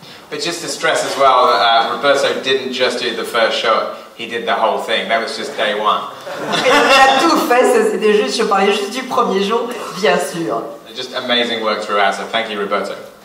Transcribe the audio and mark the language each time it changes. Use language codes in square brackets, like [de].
[en] But just to stress as well, Roberto didn't just do the first shot, he did the whole thing. That was just day one. [fr] Il a tout fait, c'était juste, je parlais juste du premier jour, bien sûr. [en] Just amazing work throughout, so thank you, Roberto.